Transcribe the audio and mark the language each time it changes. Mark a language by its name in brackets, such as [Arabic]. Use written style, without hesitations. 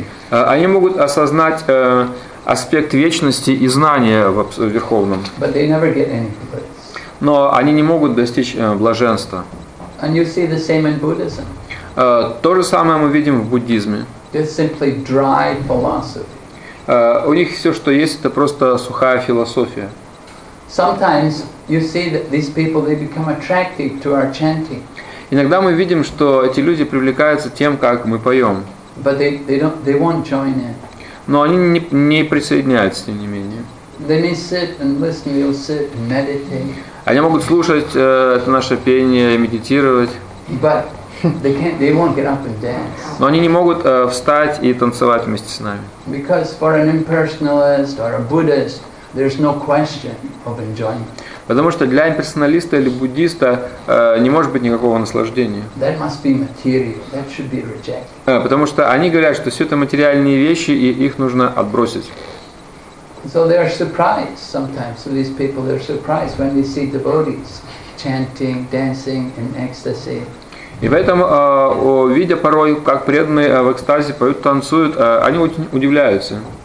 [Russian] Они могут осознать аспект вечности и знания в Верховном. [English] But they never get any bliss. [Russian] Но они не могут достичь блаженства. [English] And you see the same in Buddhism. [Russian] То же самое мы видим в буддизме. Это [English] simply dry philosophy. [Russian] У них все, что есть, это просто сухая философия. [English] Sometimes you see that these people, they become attracted to our chanting. [Russian] Иногда мы видим, что эти люди привлекаются тем, как мы поем. [English] But they won't join in. [Russian] Но они не присоединяются, тем не менее. [English] They may sit and listen, they'll sit and meditate. [Russian] Они могут слушать это наше пение, медитировать. [English] But they won't get up and dance. [Russian] Но они не могут встать и танцевать вместе с нами. [English] Because for an impersonalist or a Buddhist, there's no question of enjoyment. [Russian] Потому что для имперсоналиста или буддиста не может быть никакого наслаждения. [English] That must be material. That should be rejected. [Russian] Потому что они говорят, что все это материальные вещи, и их нужно отбросить. [English] So they are surprised sometimes. So these people, they're surprised when they see devotees chanting, dancing in ecstasy. [Russian] И поэтому, видя порой, как преданные в экстазе поют, танцуют, они очень удивляются.